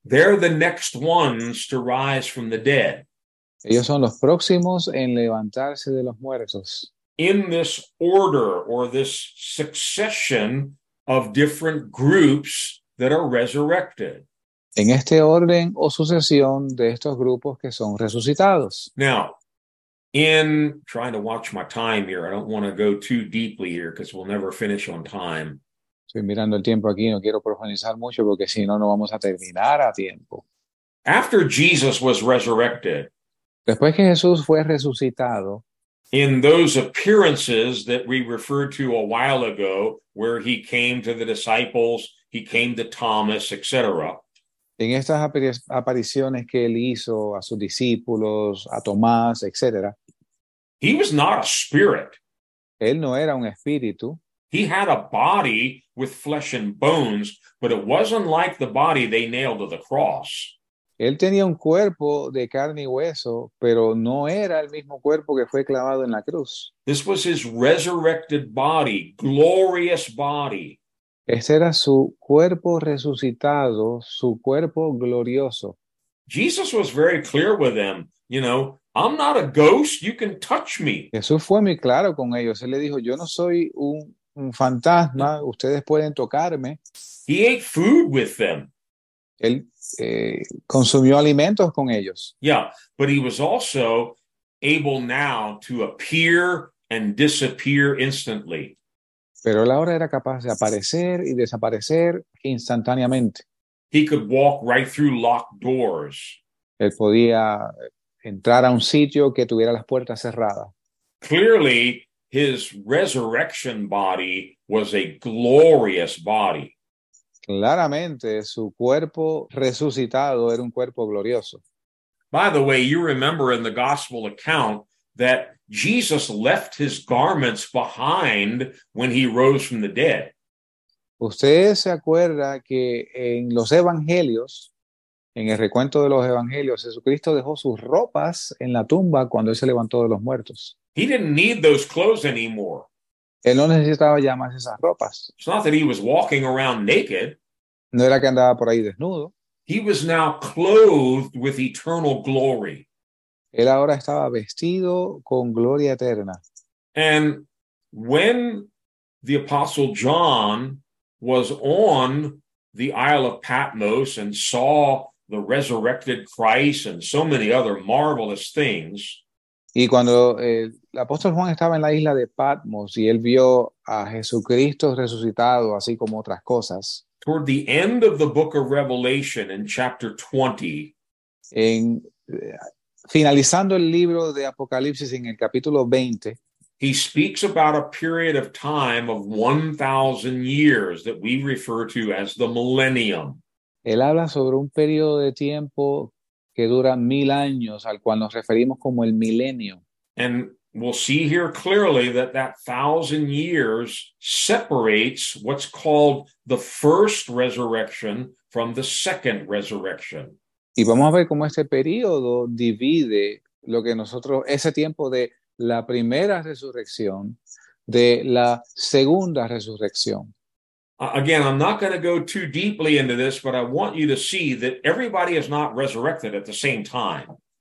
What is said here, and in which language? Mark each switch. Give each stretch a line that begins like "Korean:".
English: They're the next ones to rise from the dead.
Spanish: Ellos son los próximos en levantarse de los muertos.
English: In this order or this succession of different groups that are resurrected.
Spanish: En este orden o sucesión de estos grupos que son resucitados.
English: Now, in trying to watch my time here, I don't want to go too deeply here because we'll never finish on time.
Spanish: Estoy mirando el tiempo aquí, no quiero profundizar mucho porque si no, no vamos a terminar a tiempo.
English: After Jesus was resurrected,
Spanish: después que Jesús fue resucitado,
English: in those appearances that we referred to a while ago, where he came to the disciples, he came to Thomas, etc.
Spanish: En estas apariciones que él hizo a sus discípulos, a Tomás, etc.
English: He was not a spirit.
Spanish: Él no era un espíritu.
English: He had a body with flesh and bones, but it wasn't like the body they nailed to the cross.
Spanish: Él tenía un cuerpo de carne y hueso, pero no era el mismo cuerpo que fue clavado en la cruz.
English: This was his resurrected body, glorious body.
Spanish: Este era su cuerpo resucitado, su cuerpo glorioso.
English: Jesus was very clear with them, you know, I'm not a ghost, you can touch me.
Spanish: Jesús fue muy claro con ellos. Él le dijo, yo no soy un fantasma, ustedes pueden tocarme.
English: He ate food with them.
Spanish: Él consumió alimentos con ellos.
English: Yeah, but he was also able now to appear and disappear instantly.
Spanish: Pero él ahora era capaz de aparecer y desaparecer instantáneamente.
English: He could walk right through locked doors.
Spanish: Él podía entrar a un sitio que tuviera las puertas cerradas.
English: Clearly, his resurrection body was a glorious body.
Spanish: Claramente, su cuerpo resucitado era un cuerpo glorioso.
English: By the way, you remember in the gospel account that Jesus left his garments behind when he rose from the dead.
Spanish: Usted se acuerda que en los evangelios, en el recuento de los evangelios, Jesucristo dejó sus ropas en la tumba cuando él se levantó de los muertos.
English: He didn't need those clothes anymore.
Spanish: Él no necesitaba ya más esas ropas.
English: It's not that he was walking around naked.
Spanish: No era que andaba por ahí desnudo.
English: He was now clothed with eternal glory.
Spanish: Él ahora estaba vestido con gloria eterna.
English: And when the Apostle John was on the Isle of Patmos and saw the resurrected Christ and so many other marvelous things,
Spanish: y cuando el apóstol Juan estaba en la isla de Patmos y él vio a Jesucristo resucitado, así como otras cosas.
English: Toward the end of the book of Revelation in chapter 20.
Spanish: Finalizando el libro de Apocalipsis en el capítulo 20.
English: He speaks about a period of time of 1,000 years that we refer to as the millennium.
Spanish: Él habla sobre un periodo de tiempo que dura mil años, al cual nos referimos como el milenio.
English: And we'll see here clearly that that thousand years separates what's called the first resurrection from the second resurrection.
Spanish: Y vamos a ver cómo este periodo divide lo que nosotros, ese tiempo de la primera resurrección, de la segunda resurrección.
English: Again, I'm not going to go too deeply into this, but I want you to see that everybody is not resurrected at the same time.